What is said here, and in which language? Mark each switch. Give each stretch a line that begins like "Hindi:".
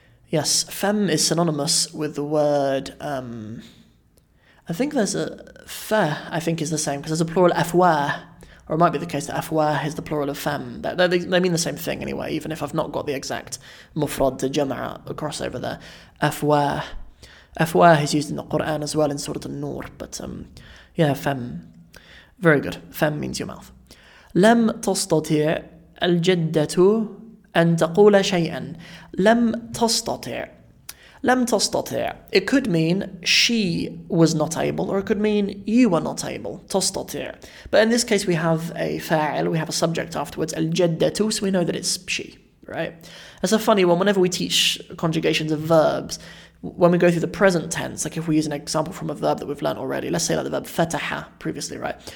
English: Yes, fem is synonymous with the word, I think there's a, fe, I think is the same, because there's a plural afwa, or it might be the case that afwa is the plural of fem. They mean the same thing anyway, even if I've not got the exact mufrad de jama'a crossover there. Afwa. Afwa is used in the Quran as well in Surah An-Nur, but yeah, fem. Very good. Fem means your mouth.
Arabic: Lam tostati' al-jaddatu أن تقول شيئا لم تستطيع. لم تستطيع.
English: It could mean she was not able, or it could mean you were not able.
Arabic: تستطيع.
English: But in this case, we have a فاعل, we have a subject afterwards, الجدتو, so we know that it's she, right? That's a funny one. Whenever we teach conjugations of verbs, when we go through the present tense, like if we use an example from a verb that we've learned already, let's say like the verb فتح previously, right?